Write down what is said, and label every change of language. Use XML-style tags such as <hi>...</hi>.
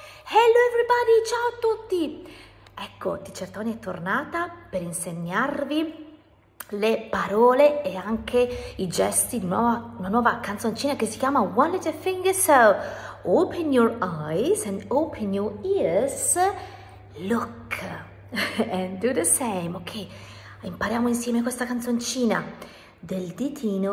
<en>Hello everybody,</en> <it>ciao a tutti. Ecco, Teacher Tony è tornata per insegnarvi le parole e anche I gesti di una nuova canzoncina che si chiama One Little Finger.</it> <en>So open your eyes and open your ears, look and do the same.</en> <it>Ok, impariamo insieme questa canzoncina del ditino.</it>